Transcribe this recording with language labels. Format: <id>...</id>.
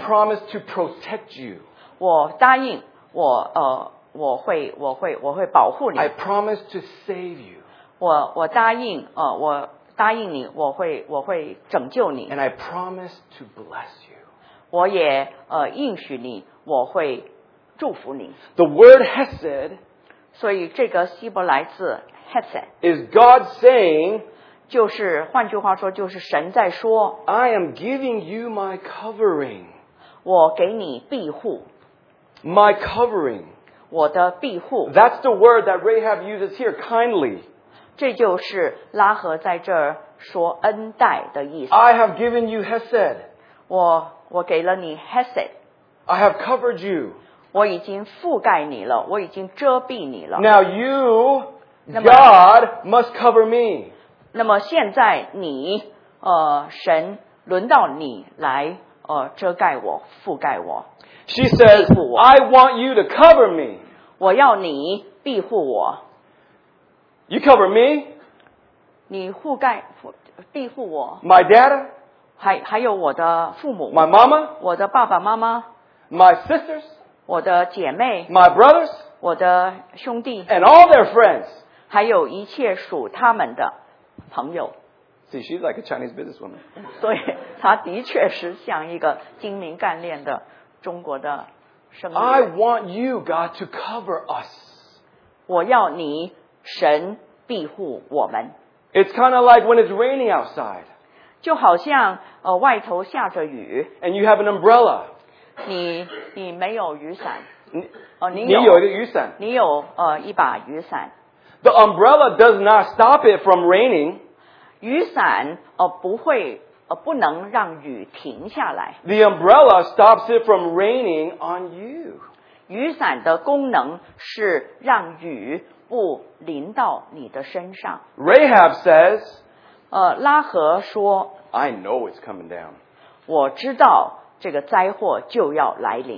<en>I promise to protect you.</en> <zh>我答应我我会保护你。</zh> <en>I promise to save you.</en> <zh>我答应我答应你，我会拯救你。</zh> <en>And I promise to bless you.</en> <zh>我也应许你，我会祝福你。</zh> <en>The word hesed.</en> <zh>所以这个希伯来字 hesed</zh> <en>is God saying.</en> <zh>就是换句话说，就是神在说。</zh> <en>I am giving you my covering.</en> <zh>我给你庇护。</zh> <en>My covering.</en> <zh>我的庇护。</zh> <en>That's the word that Rahab uses here, kindly.</en> <zh>这就是拉合在这儿说恩待的意思。</zh> <en>I have given you hesed.</en> <zh>我给了你 hesed.</zh> <en>I have covered you.</en> <zh>我已经覆盖你了，我已经遮蔽你了。</zh> <en>Now you, God, must cover me.</en> <zh>那么现在你，神轮到你来，遮盖我，覆盖我。</zh> <en>She says, I want you to cover me.</en> <zh>我要你庇护我。</zh> <en>You cover me.</en> <zh>你覆盖庇护我。</zh> <en>My dad.</en> <zh>还有我的父母。</zh> <en>My mama.</en> <zh>我的爸爸妈妈。</zh> <en>My sisters.</en> <zh>我的姐妹。</zh> <en>My brothers.</en> <zh>我的兄弟。</zh> <en>And all their friends.</en> <zh>还有一切属他们的朋友。</zh> <en>See, she's like a Chinese businesswoman.</en> <zh>所以她的确是像一个精明干练的中国的生意人。</zh> <en>I want you, God, to cover us.</en> <zh>我要你。神庇护我们。</zh> <en>It's kind of like when it's raining outside.</en> <zh>就好像外头下着雨。</zh> <en>And you have an umbrella.</en> <zh>你没有雨伞。你有一个雨伞。你有一把雨伞。</zh> <en>The umbrella does not stop it from raining.</en> <zh>雨伞不会不能让雨停下来。</zh> <en>The umbrella stops it from raining on you.</en> <zh>雨伞的功能是让雨不临到你的身上。</zh> <en>Rahab says,</en> <zh>拉合说</zh> <en>I know it's coming down.</en> <zh>我知道这个灾祸就要来临。</zh>